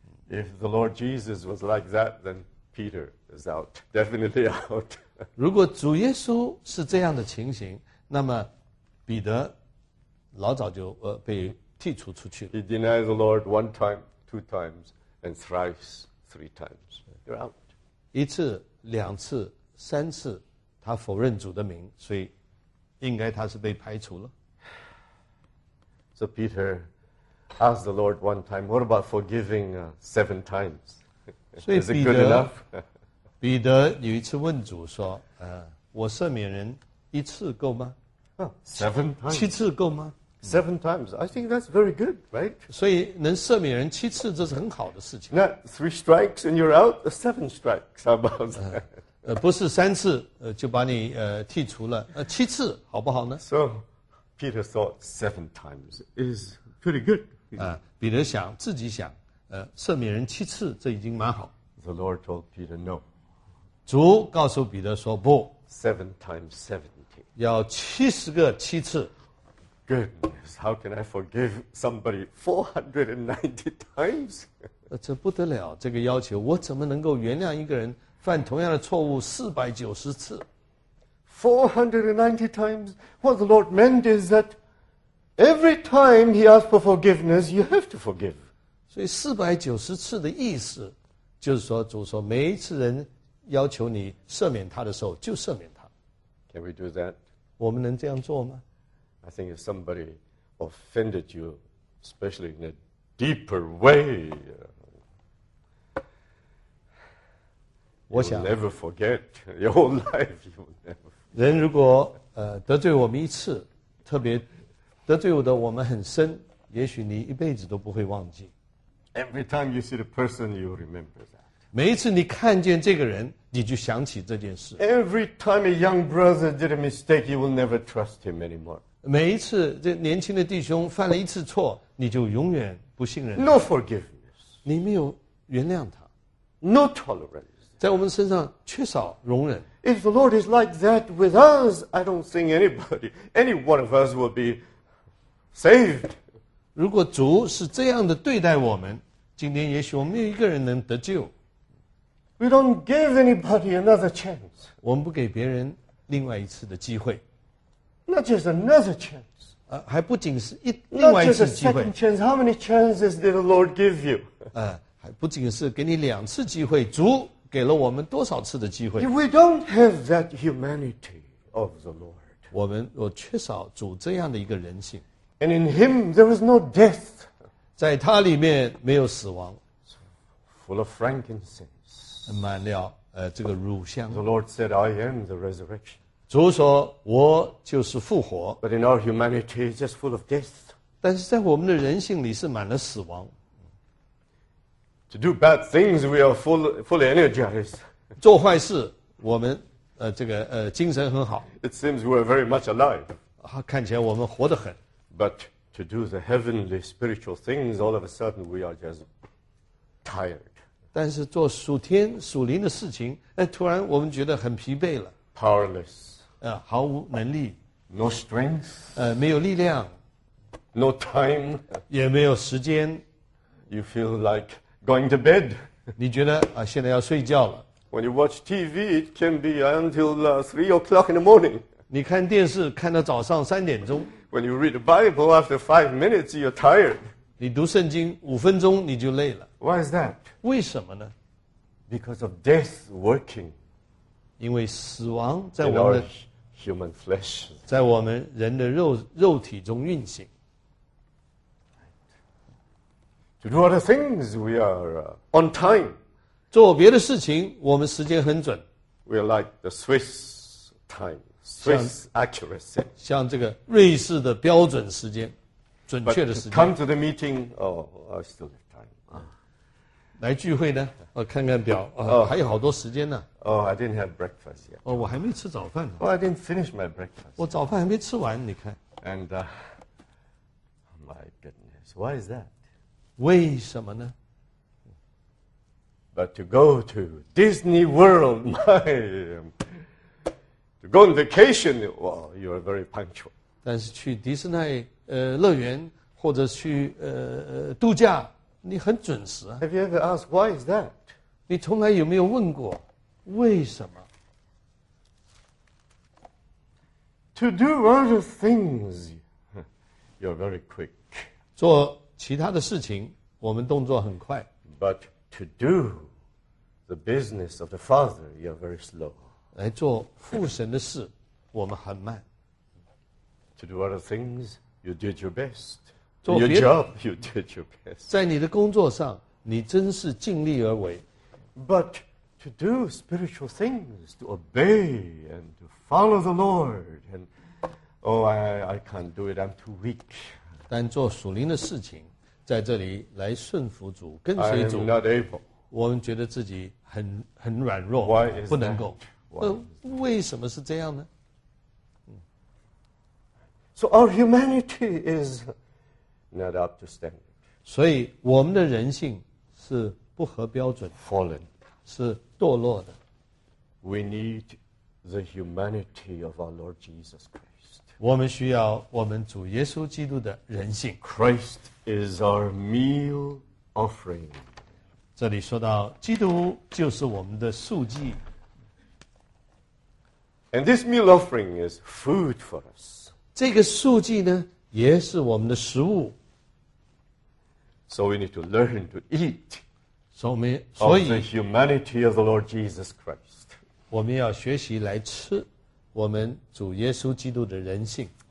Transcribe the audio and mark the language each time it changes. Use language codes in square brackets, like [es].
[en] If the Lord Jesus was like that, then Peter is out. Definitely out. [zh] 如果主耶稣是这样的情形，那么彼得老早就被剔除出去了。 [en] He denied the Lord one time, two times, and thrice, three times. You're out. [zh] 一次、两次、三次，他否认主的名，所以应该他是被排除了。 [en] So Peter asked the Lord one time, "What about forgiving seven times?" Is it good enough? [zh] 彼得有一次问主说：“我赦免人一次够吗？” [en] Seven times. [zh] 七次够吗？ [en] Seven times, I think that's very good, right? [zh] 所以能赦免人七次，这是很好的事情。 [en] 那 three strikes and you're out, seven strikes, how about that? [zh] 不是三次就把你剔除了，七次好不好呢？ [en] So, Peter thought seven times is pretty good. [zh] 彼得想自己想，赦免人七次这已经蛮好。 [en] The Lord told Peter no. [zh] 主告诉彼得说不。 [en] Seven times 70. [zh] 要七十个七次。 [en] Goodness, how can I forgive somebody 490 times? [zh] 这不得了，这个要求，我怎么能够原谅一个人犯同样的错误490次？ [en] 490 times, what the Lord meant is that every time he asked for forgiveness, you have to forgive. [zh] 所以490次的意思，就是说主说每一次人要求你赦免他的时候，就赦免他。 [en] Can we do that? [zh] 我们能这样做吗？ [en] I think if somebody offended you, especially in a deeper way, you will never forget your whole life. You will never. [zh] 人如果得罪我们一次，特别得罪的我们很深，也许你一辈子都不会忘记。 [en] Every time you see the person, you remember that. [zh] 每一次你看见这个人，你就想起这件事。 [en] Every time a young brother did a mistake, you will never trust him anymore. [zh] 每一次这年轻的弟兄犯了一次错，你就永远不信任他。 [en] No forgiveness. [zh] 你没有原谅他。 [en] No tolerance. [zh] 在我们身上缺少容忍。 [en] If the Lord is like that with us, I don't think anybody, any one of us will be saved. [zh] 如果主是这样的对待我们，今天也许我们没有一个人能得救。 [en] We don't give anybody another chance. [zh] 我们不给别人另外一次的机会。 [en] Not just another chance. [zh] 还不仅是另外一次机会。 [en] Not just a second chance. How many chances did the Lord give you? [zh] 还不仅是给你两次机会，主给了我们多少次的机会？ [en] If we don't have that humanity of the Lord, [zh] 我缺少主这样的一个人性。 [en] And in him there was no death. [zh] 在他里面没有死亡。 [en] Full of frankincense. [zh] 满了这个乳香。 [en] The Lord said, I am the resurrection. [zh] 主说我就是复活。 [en] But in our humanity, it's just full of death. [zh] 但是在我们的人性里是满了死亡。 [en] To do bad things, we are fully energized. [zh] 做坏事我们精神很好。 [en] It seems we are very much alive. [zh] 看起来我们活得很。 [en] But to do the heavenly spiritual things, all of a sudden we are just tired. [zh] 但是做属天属灵的事情突然我们觉得很疲惫了。 [en] Powerless. [zh] 毫无能力。 [en] No strength. [zh] 没有力量。 [en] No time. [zh] 也没有时间。 [en] You feel like going to bed. [zh] 你觉得现在要睡觉了。 [en] When you watch TV, it can be until 3 o'clock in the morning. [zh] 你看电视看到早上三点钟。 [en] When you read the Bible, after 5 minutes, you're tired. [zh] 你读圣经五分钟你就累了。 [en] Why is that? [zh] 为什么呢？ [en] Because of death working. [zh] 因为死亡在我们的 [en] human flesh, [zh] 在我们人的肉体中运行。 [en] To do other things, we are on time. [zh] 做别的事情我们时间很准。 [en] We are like the Swiss time, Swiss accuracy. [zh] 像这个瑞士的标准时间准确的时间。 [en] Come to the meeting, I still have time. [zh] 来聚会呢看看表还有好多时间呢。 [en] I didn't have breakfast yet. [zh] 我还没吃早饭呢。 [en] I didn't finish my breakfast. [zh] 我早饭还没吃完你看。 [en] And, my goodness, why is that? [zh] 为什么呢？ [en] But to go to Disney World, to go on vacation, well, you are very punctual. [zh] 但是去迪士尼乐园或者去度假，你很准时啊。 [en] Have you ever asked why is that? [zh] 你从来有没有问过为什么 [en] ？To do other things, you are very quick. [zh] 做其他的事情，我们动作很快。 [en] But to do the business of the Father, you are very slow. [zh] 来做父神的事，我们很慢。 [en] To do other things, you did your best. Your job, you did your best. [zh] 在你的工作上，你真是尽力而为。 [en] But to do spiritual things, to obey and to follow the Lord, and I can't do it. I'm too weak. [zh] 但做属灵的事情，在这里来顺服主，跟随主。 [en] I am not able. [zh] 我们觉得自己很软弱 [en] Why is [zh] 不能够 为什么是这样呢 [en] So our humanity is not up to standard. [zh] 所以我们的人性是不合标准 [en] Fallen. [zh] 是堕落的 [en] We need the humanity of our Lord Jesus Christ. [zh] 我们需要我们主耶稣基督的人性 [en] Christ is our meal offering. [zh] 这里说到基督就是我们的素祭。 [en] And this meal offering is food for us. [zh] 这个素祭呢也是我们的食物。 [en] So we need to learn to eat of the humanity of the Lord Jesus Christ. [zh] 我们要学习来吃我们主耶稣基督的人性。